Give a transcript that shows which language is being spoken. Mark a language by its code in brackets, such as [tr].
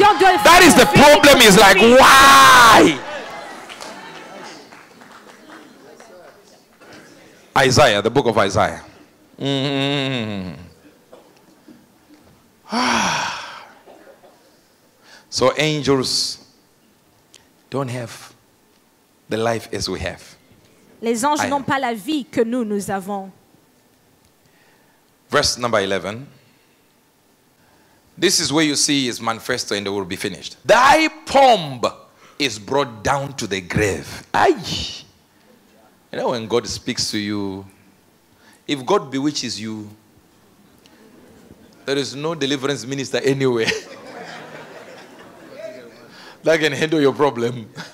[en] That is the problem. Is like, why? Isaiah, the book of Isaiah. So angels don't have the life as we have. [fr] Les anges n'ont pas la vie que nous avons. [en] Verse number 11. This is where you see his manifesto and it will be finished. Thy pomp is brought down to the grave. Aye. You know when God speaks to you, if God bewitches you, there is no deliverance minister anywhere that can handle your problem.